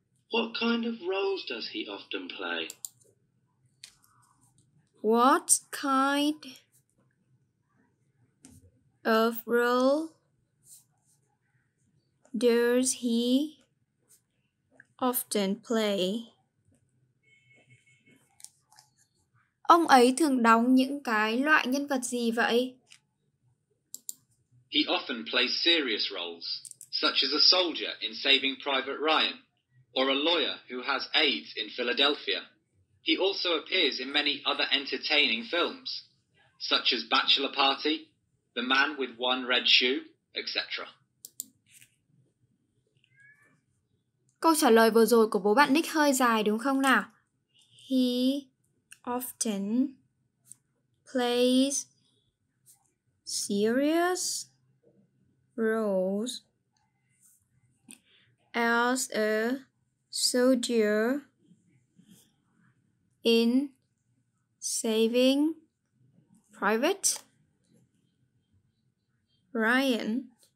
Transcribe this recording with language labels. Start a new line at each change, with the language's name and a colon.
English: What kind of roles does he often play? What kind of role does he often play?
Vietnamese: Ông ấy thường đóng những cái loại nhân vật gì vậy?
English: He often plays serious roles, such as a soldier in Saving Private Ryan, or a lawyer who has AIDS in Philadelphia. He also appears in many other entertaining films, such as Bachelor Party, The Man with One Red Shoe, etc.
Vietnamese: Câu trả lời vừa rồi của bố bạn Nick hơi dài đúng không nào?
English: He often plays serious roles as a soldier in Saving Private Ryan